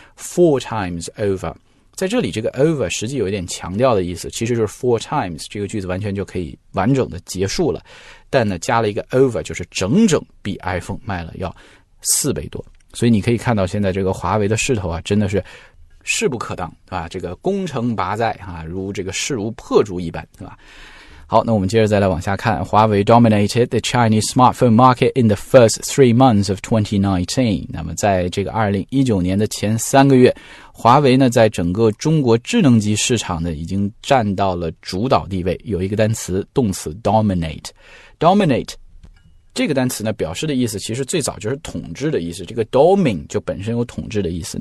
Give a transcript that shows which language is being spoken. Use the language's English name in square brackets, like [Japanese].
[English] Four times over。 [Chinese] 在这里这个 over 实际有一点强调的意思，其实就是 [English] four times， [Chinese] 这个句子完全就可以完整的结束了，但呢加了一个 over， 就是整整比 iPhone 卖了要四倍多。所以你可以看到现在这个华为的势头啊，真的是势不可挡，对吧？这个攻城拔寨啊，如这个势如破竹一般，对吧？好，那我们接着再来往下看。 [English] 华为 dominated the Chinese smartphone market in the first three months of 2019. [Chinese] 那么在这个2019年的前三个月，华为呢在整个中国智能机市场呢已经占到了主导地位。有一个单词，动词 dominate。dominate 这个单词呢表示的意思其实最早就是统治的意思。这个 domin 就本身有统治的意思。